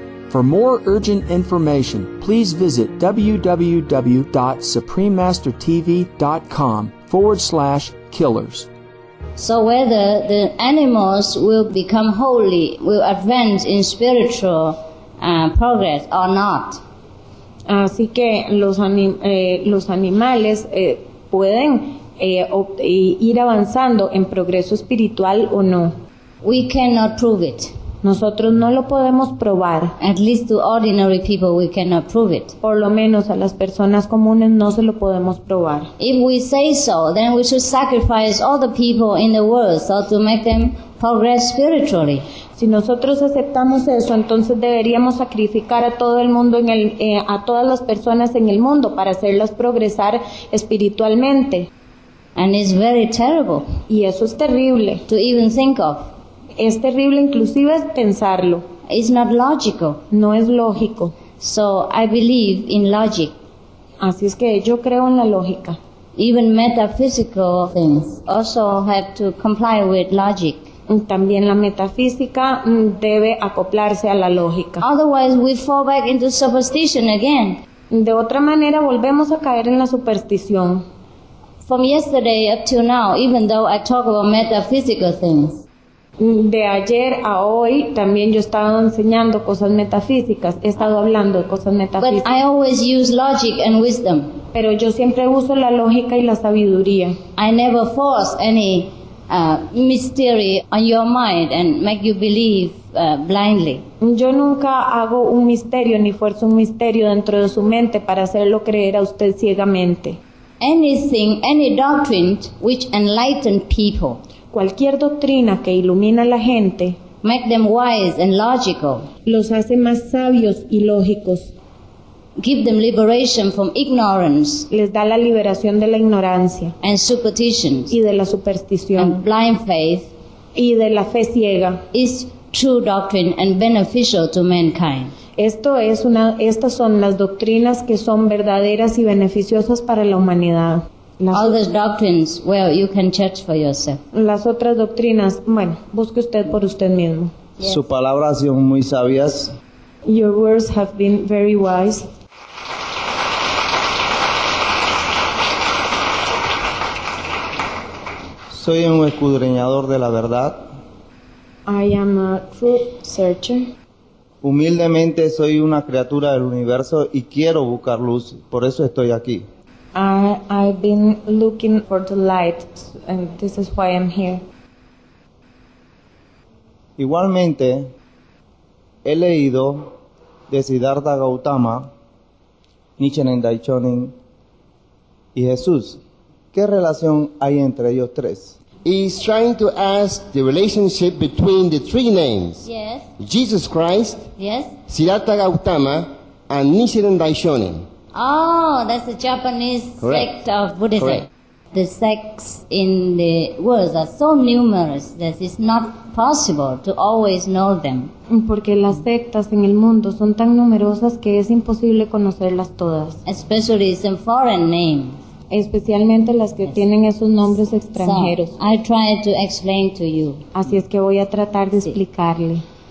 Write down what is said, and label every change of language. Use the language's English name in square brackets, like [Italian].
[English] For more urgent information, please visit www.suprememastertv.com/killers. So whether the animals will become holy, will advance in spiritual progress or not. [Spanish] Así que los animales pueden ir avanzando en progreso espiritual o no. [English] We cannot prove it. [Spanish] Nosotros no lo podemos probar. [English] At least to ordinary people we cannot prove it. [Spanish] Por lo menos a las personas comunes no se lo podemos probar. [English] If we say so, then we should sacrifice all the people in the world so to make them progress spiritually. [Spanish] Si nosotros aceptamos eso, entonces deberíamos sacrificar a todo el mundo en el a todas las personas en el mundo para hacerlas progresar espiritualmente. [English] And it's very terrible. [Spanish] Y eso es terrible. [English] To even think of. [Spanish] Es terrible inclusive pensarlo. [English] It's not logical. [Spanish] No es lógico. [English] So I believe in logic. [Spanish] Así es que yo creo en la lógica. [English] Even metaphysical things also have to comply with logic. [Spanish] También la metafísica debe acoplarse a la lógica. [English] Otherwise we fall back into superstition again. [Spanish] De otra manera volvemos a caer en la superstición. [English] From yesterday up to now, even though I talk about metaphysical things. [Spanish] De ayer a hoy, también yo he estado enseñando cosas metafísicas. He estado hablando de cosas metafísicas. [English] But I always use logic and wisdom. [Spanish] Pero yo siempre uso la lógica y la sabiduría. [English] I never force any mystery on your mind and make you believe blindly. [Spanish] Yo nunca hago un misterio ni fuerzo un misterio dentro de su mente para hacerlo creer a usted ciegamente. [English] Anything, any doctrine which enlighten people. [Spanish] Cualquier doctrina que ilumina a la gente. [English] Make them wise and logical. [Spanish] Los hace más sabios y lógicos. [English] Give them liberation from ignorance. [Spanish] Les da la liberación de la ignorancia. [English] And superstitions. [Spanish] Y de la superstición. [English] And blind faith. [Spanish] Y de la fe ciega. [English] Is true doctrine and beneficial to mankind. [Spanish] Estas son las doctrinas que son verdaderas y beneficiosas para la humanidad. [English] All those doctrines, well, you can search for yourself. [Spanish] Las otras doctrinas, bueno, busque usted por usted mismo. [English] Yes. [Spanish] Su palabra ha sido muy sabias. [English] Your words have been very wise. [Spanish] Soy un escudriñador de la verdad. [English] I am a truth searcher. [Spanish] Humildemente soy una criatura del universo y quiero buscar luz, por eso estoy aquí. [English] I've been looking for the light, and this is why I'm here. [Spanish] Igualmente, he leído de Siddhartha Gautama, Nichiren Daishonin y Jesús. ¿Qué relación hay entre ellos tres? [English] is trying to ask the relationship between the three names. Yes. Jesus Christ. Yes. Siddhartha Gautama and Nichiren Daishonin. Oh, that's the Japanese Correct. Sect of Buddhism. Correct. The sects in the world are so numerous that it's not possible to always know them. [Spanish] Porque las sectas en el mundo son tan numerosas que es imposible conocerlas todas. [English] Especially some foreign names. [Spanish] Especialmente las que tienen esos nombres extranjeros. [English] So, I'll try to explain to you. [Spanish] Así es que voy a tratar de explicarle.